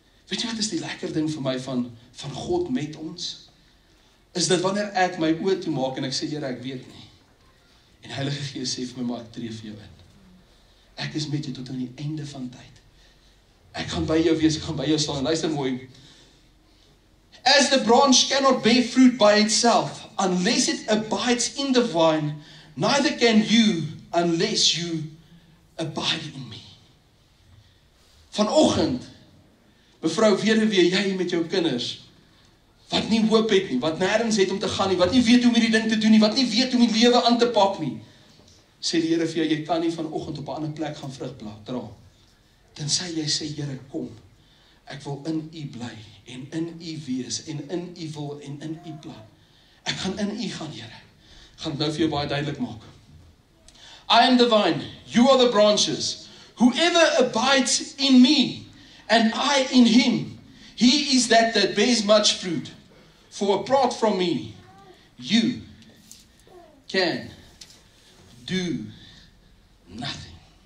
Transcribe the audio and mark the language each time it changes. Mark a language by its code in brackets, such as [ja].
[af] Weet jy wat is die lekker ding vir my van God met ons? Is dit wanneer ek my oë toe maak en ek sê, Here, ek weet nie. En Heilige Gees sê vir my, maar ek tree vir jou in. Ek is met jou tot aan die einde van tyd. Ek gaan by jou wees, ek gaan by jou staan. Luister mooi. [en] As the branch cannot bear fruit by itself, unless it abides in the vine, neither can you unless you abide in me. [af] Vanoggend, mevrou weduwee, jy met jou kinders, wat nie hoop het nie, wat nêrens het om te gaan nie, wat nie weet hoe om hierdie ding te doen nie, wat nie weet hoe om die lewe aan te pak nie, sê die Here vir jou, jy kan nie vanoggend op 'n ander plek gaan vrug dra. Tensy jy sê, Here, kom, ek wil in U bly en in U wees en in U wil en in U plan. Ek gaan in U gaan, Here. Gaan nou vir jou baie duidelik maak. [en] I am the vine, you are the branches. Whoever abides in me and I in him, he is that that bears much fruit. For apart from me, you can do nothing.